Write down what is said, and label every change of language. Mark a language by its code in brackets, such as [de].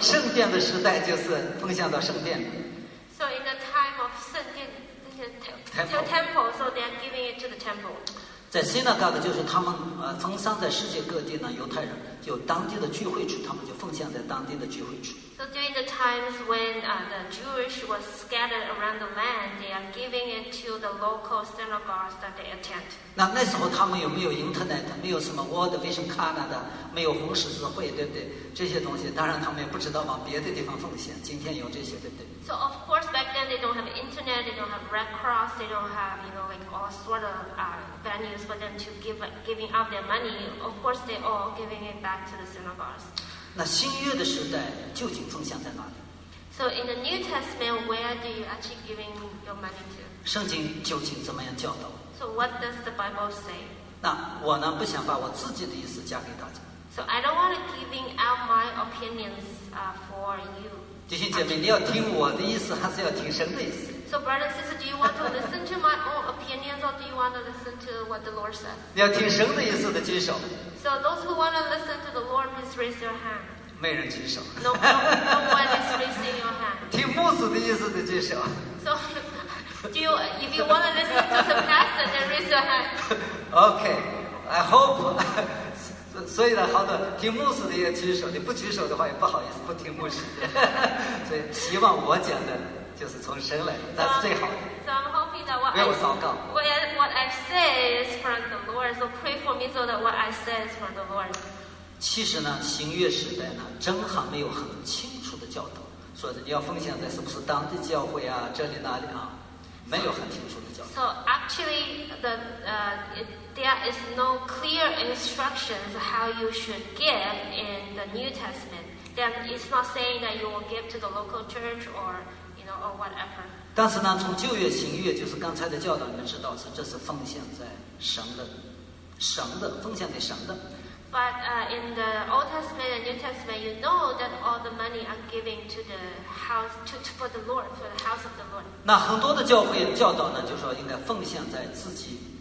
[zh] 圣殿的时代就是奉献到圣殿。 [en] So in the time of [zh] 圣殿 [en] temple, so they are giving it to the temple. [zh] 在 synagogue 就是他们分散在世界各地呢，犹太人就当地的聚会处，他们就奉献在当地的聚会处。 [en] So during the times when the Jewish was scattered around the land, they are giving it to the local synagogues that they attend. [zh] 那时候他们有没有 internet, 没有什么 World Vision Card 的，没有红十字会，对不对？这些东西当然他们也不知道往别的地方奉献。今天有这些，对不对？ [en] So of course back then they don't have internet, they don't have Red Cross, they don't have, you know, like all sort of venues for them to giving out their money. Of course they all giving it back to the synagogues. [zh] 那新约的时代究竟奉献在哪里？ [en] So in the New Testament, where do you actually giving your money to? [zh] 圣经究竟怎么样教导？ [en] So what does the Bible say? [zh] 那我呢不想把我自己的意思加给大家。 [en] So I don't want to giving out my opinions for you. [zh] 弟兄姐妹，你要听我的意思，还是要听神的意思 [en] ？So, brothers and sisters, do you want to listen to my own opinions, or do you want to listen to what the Lord says? [zh] 你要听神的意思的举手。 [en] So, those who want to listen to the Lord, please raise your hand. [zh] 没人举手。 [en] No one is raising your hand. [zh] 听牧师的意思的举手。 [en] So, if you want to listen to the pastor, then raise your hand. Okay, I hope. [zh] 所以呢，好的，听牧师的也举手，你不举手的话也不好意思不听牧师。所以希望我讲的就是从神来，那是最好的。 [en] So I'm hoping that what [zh] 为我祷告。 [en] What I say is from the Lord, so pray for me so that what I say is from the Lord. [zh] 其实呢，新约时代呢，真还没有很清楚的教导，说你要奉献在是不是当地教会啊，这里那里啊，没有很清楚的教导。 [en] So actually, there is no clear instructions how you should give in the New Testament. Then it's not saying that you will give to the local church or, you know, or whatever. [zh] 但是呢，从旧约、新约，就是刚才的教导，你们知道是这是奉献在神的奉献给神的。 [en] But in the Old Testament and New Testament, you know that all the money are giving to the house for the Lord, for the house of the Lord. [zh] 那很多的教会教导呢，就是说应该奉献在自己。